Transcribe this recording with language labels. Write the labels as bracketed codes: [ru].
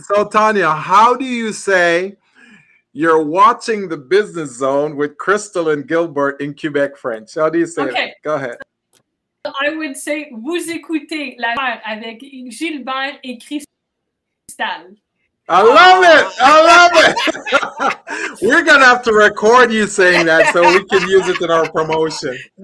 [en] Tanya, how do you say you're watching the Business Zone with Crystal and Gilbert in Quebec French? How do you say okay. it? Go ahead. I would say, [fr] vous écoutez la terre avec Gilbert et Crystal. [en] I love it. We're going to have to record you saying that so we can use it in our promotion.